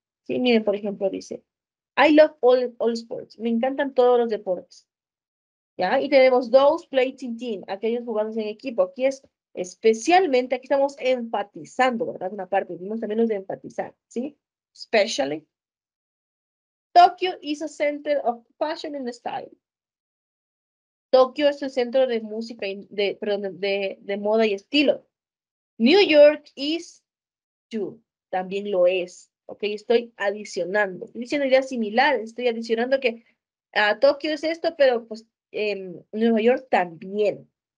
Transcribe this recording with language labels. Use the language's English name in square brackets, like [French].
[Spanish] Sí, miren, por ejemplo, dice, [English] I love all sports. [Spanish] Me encantan todos los deportes. ¿Ya? Y tenemos [English] those played in team, [Spanish] aquellos jugados en equipo. Aquí es especialmente, aquí estamos enfatizando, ¿verdad? Una parte, vimos también los de enfatizar, ¿sí? [English] Especially. Tokyo is a center of fashion and style. [Spanish] Tokio es el centro de música y de, perdón, de moda y estilo. [English] New York is too, [Spanish] también lo es. Ok, estoy adicionando. Estoy diciendo ideas similares. Estoy adicionando que Tokio es esto, pero pues Nueva York también.